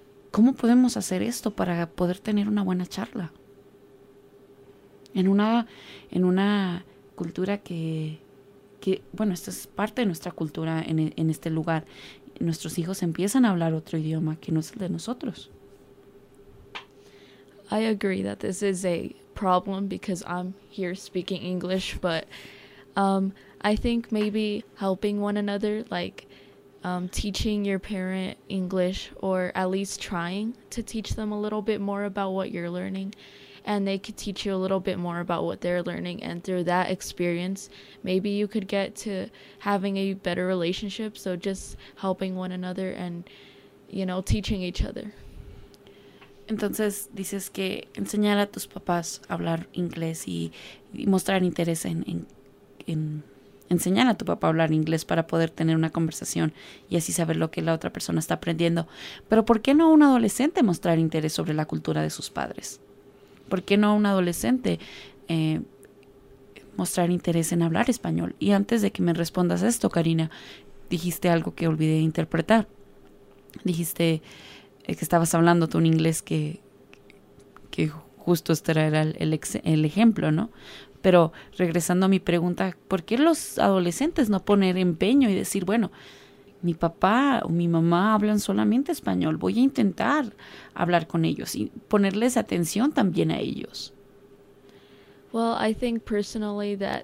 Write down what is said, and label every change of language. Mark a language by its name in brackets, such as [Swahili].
[Spanish] ¿Cómo podemos hacer esto para poder tener una buena charla? En una cultura que bueno, esto es parte de nuestra cultura en este lugar. Nuestros hijos empiezan a hablar otro idioma que no es el de nosotros. [English] I agree that this is a problem because I'm here speaking English, but I think maybe helping one another, like teaching your parent English, or at least trying to teach them a little bit more about what you're learning, and they could teach you a little bit more about what they're learning, and through that experience, maybe you could get to having a better relationship. So just helping one another and, you know, teaching each other. [Spanish] Entonces, dices que enseñar a tus papás a hablar inglés y mostrar interés en enseñar a tu papá a hablar inglés para poder tener una conversación y así saber lo que la otra persona está aprendiendo. Pero ¿por qué no un adolescente mostrar interés sobre la cultura de sus padres? ¿Por qué no un adolescente mostrar interés en hablar español? Y antes de que me respondas a esto, Karina, dijiste algo que olvidé interpretar. Dijiste que estabas hablando tú un inglés que justo este era el ejemplo, ¿no? Pero regresando a mi pregunta, ¿por qué los adolescentes no poner empeño y decir, bueno, mi papá o mi mamá hablan solamente español, voy a intentar hablar con ellos y ponerles atención también a ellos? [English] Well, I think personally that